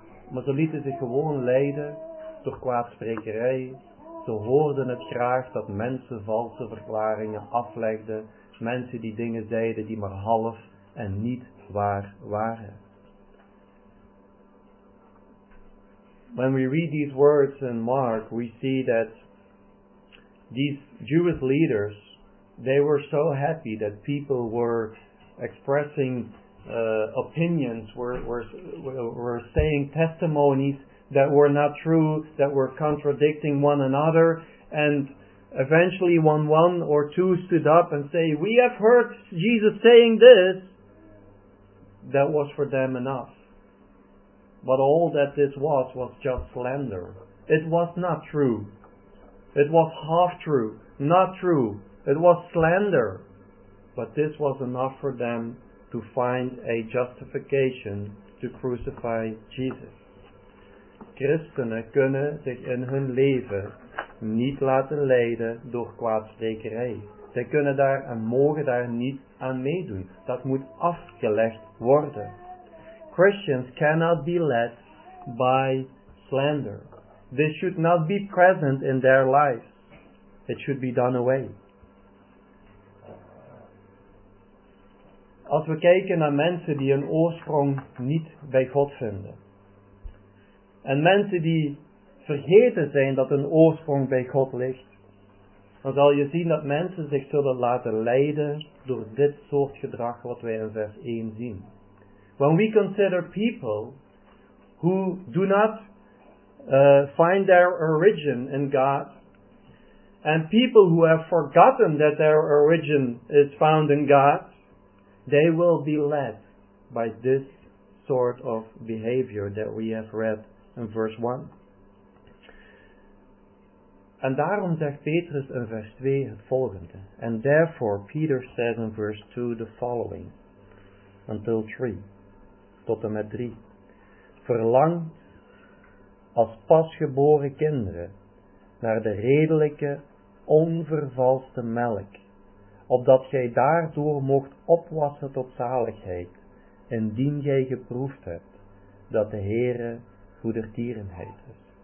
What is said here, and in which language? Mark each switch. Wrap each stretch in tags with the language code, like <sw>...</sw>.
<nl>Maar ze lieten zich gewoon leiden door kwaadsprekerij. Ze hoorden het graag dat mensen valse verklaringen aflegden. Mensen die dingen zeiden die maar half en niet waar waren.</nl> <en>When we read these words in Mark, we see that these Jewish leaders, they were so happy that people were expressing opinions, were saying testimonies that were not true, that were contradicting one another. And eventually one or two stood up and say, we have heard Jesus saying this. That was for them enough. But all that this was just slander. It was not true. It was half true. Not true. It was slander. But this was enough for them to find a justification to crucify Jesus.</en> <nl>Christenen kunnen zich in hun leven niet laten leiden door kwaadsprekerij. Zij kunnen daar en mogen daar niet aan meedoen. Dat moet afgelegd worden.</nl> <en>Christians cannot be led by slander. this should not be present in their lives. It should be done away.</en> <nl>Als we kijken naar mensen die hun oorsprong niet bij God vinden. En mensen die vergeten zijn dat hun oorsprong bij God ligt. Dan zal je zien dat mensen zich zullen laten leiden door dit soort gedrag wat wij in vers 1 zien.</nl> <en>When we consider people who do not find their origin in God. And people who have forgotten that their origin is found in God. They will be led by this sort of behavior that we have read in verse 1.</en> <nl>En daarom zegt Petrus in vers 2 het volgende.</nl> <en>And therefore Peter says in verse 2 the following. Until 3.</en> <nl>Tot en met 3. Verlang als pasgeboren kinderen naar de redelijke, onvervalste melk. Opdat gij daardoor mocht opwassen tot zaligheid, indien gij geproefd hebt dat de Heere goedertierenheid is.</nl>